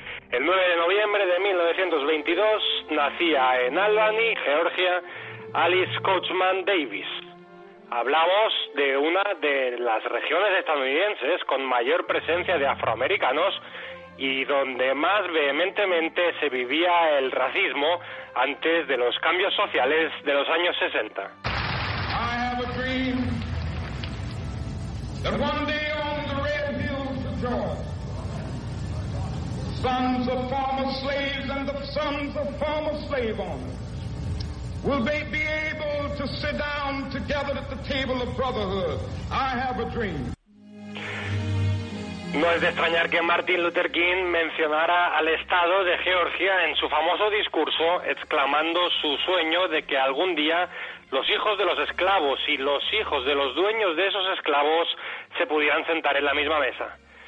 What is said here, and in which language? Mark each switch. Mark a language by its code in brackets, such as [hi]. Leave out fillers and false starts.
[es] El 9 de noviembre de 1922 nacía en Albany, Georgia, Alice Coachman Davis. Hablamos de una de las regiones estadounidenses con mayor presencia de afroamericanos y donde más vehementemente se vivía el racismo antes de los cambios sociales de los años 60. [en] I have a dream that one day on the red hills of Georgia, sons of former slaves and the sons of former slave owners will they be able to sit down together at the table of brotherhood. I have a dream. [es] No es de extrañar que Martin Luther King mencionara al Estado de Georgia en su famoso discurso, exclamando su sueño de que algún día los hijos de los esclavos y los hijos de los dueños de esos esclavos se pudieran sentar en la misma mesa.